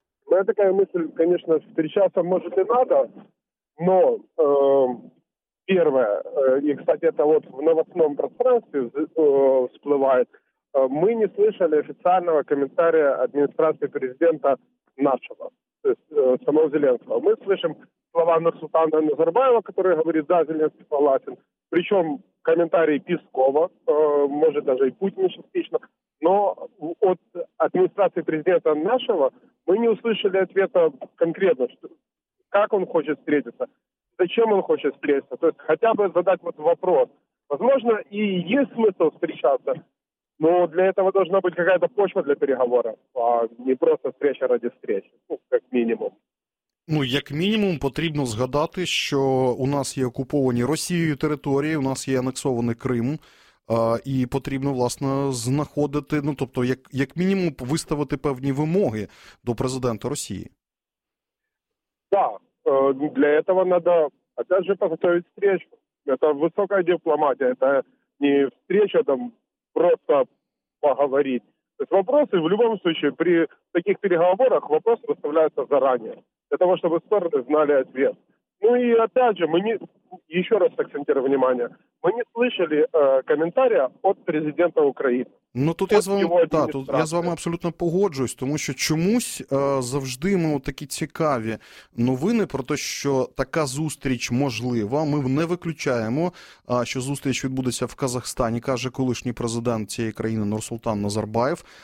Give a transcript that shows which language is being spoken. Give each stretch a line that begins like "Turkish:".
Ukrainian: Моя така мисль, звісно, зустрічатися може не треба, але перше, і, кстати, це от
Russian: в новостному пространстві
Ukrainian: спливає, ми не слышали офіційного коментаря адміністрації президента нашого, самого Зеленського. Ми слышимо слова Нурсултана Назарбаєва, який говорить, да, Зеленський согласен. Причому коментарі Піскова, може, навіть і Путіна частично.
Russian: Но
Ukrainian: от адміністрації президента нашого ми
Russian: не услышали ответа конкретно, что, как он хочет встретиться, зачем он хочет встретиться. То есть хотя бы задать вот вопрос. Возможно, и есть смысл встречаться, но для этого должна быть какая-то почва для переговоров, а не просто встреча ради встречи, ну, как минимум.
Ukrainian: Ну, як мінімум, потрібно згадати, що у нас є окуповані Росією території, у нас є анексований Крим. І потрібно, власне, знаходити, ну, тобто, як мінімум, виставити певні вимоги до президента Росії. Так, да, для цього треба,
Russian: опять же,
Ukrainian: підготовити зустрічу. Це висока дипломатія, це не зустріча, там, просто поговорити. Тобто, питання, в будь-якому випадку, при таких переговорах, питання виставляються зарані, для того, щоб сторони знали відповідь.
Russian: Ну и опять же, еще раз акцентирую внимание, мы не слышали комментария от президента Украины.
Ukrainian: Ну тут я з вами, да, тут я з вами абсолютно погоджуюсь, тому що чомусь завжди ми такі цікаві новини про те, що така зустріч можлива. Ми не виключаємо, що зустріч відбудеться в Казахстані, каже колишній президент цієї країни Нурсултан Назарбаєв.